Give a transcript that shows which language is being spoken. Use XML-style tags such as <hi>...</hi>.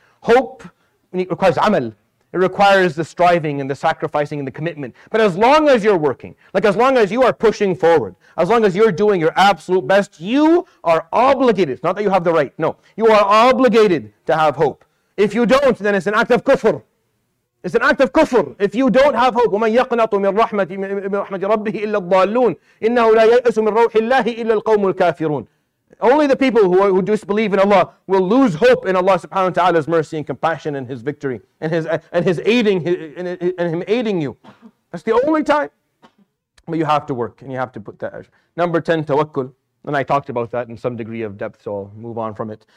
<en>Hope requires amal. It requires the striving and the sacrificing and the commitment. But as long as you're working, like as long as you are pushing forward, as long as you're doing your absolute best, you are obligated. It's not that you have the right. No, you are obligated to have hope. If you don't, then it's an act of kufr. It's an act of kufr. If you don't have hope,</en> <ar>وَمَنْ يَقْنَطُ مِنْ رَحْمَةِ رَبِّهِ إِلَّا الضَّالُّونَ إِنَّهُ لَا يَيْأَسُ مِنْ رَوْحِ اللَّهِ إِلَّا الْقَوْمُ الْكَافِرُونَ.</ar> <en>Only the people who disbelieve in Allah will lose hope in Allah subhanahu wa ta'ala's mercy and compassion and His victory and His aiding you. That's the only time. But you have to work and you have to put that. Number 10, tawakkul. And I talked about that in some degree of depth, so I'll move on from it.</en>